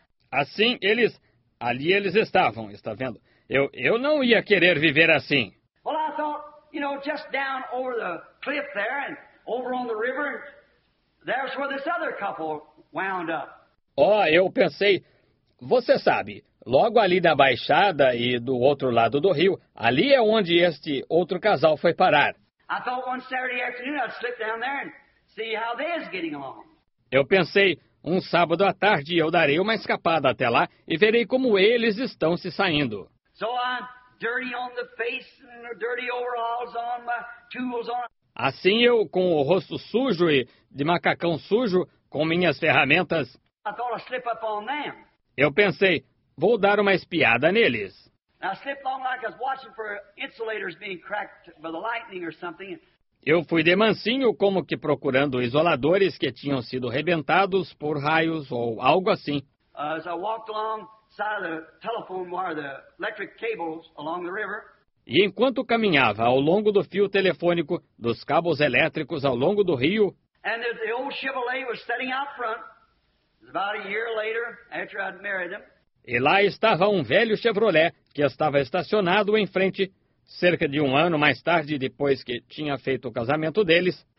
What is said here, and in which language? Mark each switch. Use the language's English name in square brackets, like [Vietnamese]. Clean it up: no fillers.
[Portuguese] Assim, eles, ali eles estavam, está vendo? Eu não ia querer viver assim. [English] Well, I thought, you know, just down over the cliff there and over on the river, there's where this other couple wound up. [Portuguese] Oh, eu pensei, você sabe, logo ali da baixada e do outro lado do rio, ali é onde este outro casal foi parar. [English] I thought one Saturday afternoon I'd slip down there and see how they is getting along. [Portuguese] Eu pensei, um sábado à tarde eu darei uma escapada até lá e verei como eles estão se saindo. [English] So I'm dirty on the face and dirty overalls on, my tools on. [Portuguese] Assim eu com o rosto sujo e de macacão sujo com minhas ferramentas. [English] I thought I'd slip up on them. [Portuguese] Eu pensei, vou dar uma espiada neles. [English] I slipped along like I was watching for insulators being cracked by the lightning or something. [Portuguese] Eu fui de mansinho como que procurando isoladores que tinham sido rebentados por raios ou algo assim. [English] As I walked along side of the telephone wire, the electric cables along the river. [Portuguese] E enquanto caminhava ao longo do fio telefônico, dos cabos elétricos ao longo do rio. [English] And the old Chevrolet was sitting out front. It was about a year later, after I'd married them. [Portuguese] E lá estava um velho Chevrolet que estava estacionado em frente, cerca de 1 ano mais tarde, depois que tinha feito o casamento deles.